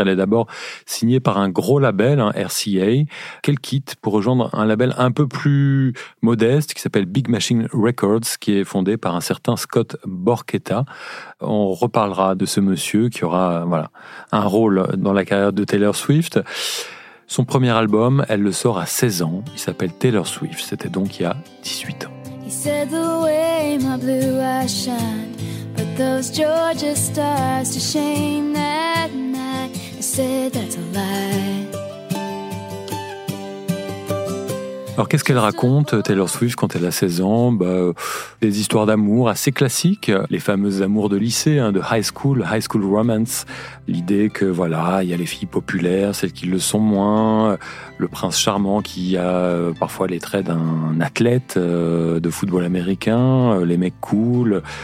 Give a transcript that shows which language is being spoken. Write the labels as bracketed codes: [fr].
[fr] Elle est d'abord signée par un gros label, hein, RCA, qu'elle quitte pour rejoindre un label un peu plus modeste qui s'appelle Big Machine Records, qui est fondé par un certain Scott Borchetta. On reparlera de ce monsieur qui aura voilà, un rôle dans la carrière de Taylor Swift. Son premier album, elle le sort à 16 ans. Il s'appelle Taylor Swift. C'était donc il y a 18 ans. [en] He said the way my blue eyes shined, put those Georgia stars to shame that night. I said that's a lie. [fr] Alors, qu'est-ce qu'elle raconte, Taylor Swift, quand elle a 16 ans? Des histoires d'amour assez classiques, les fameuses amours de lycée, hein, de [en] high school romance. [fr] L'idée que, voilà, il y a les filles populaires, celles qui le sont moins, le prince charmant qui a parfois les traits d'un athlète de football américain, les mecs cool.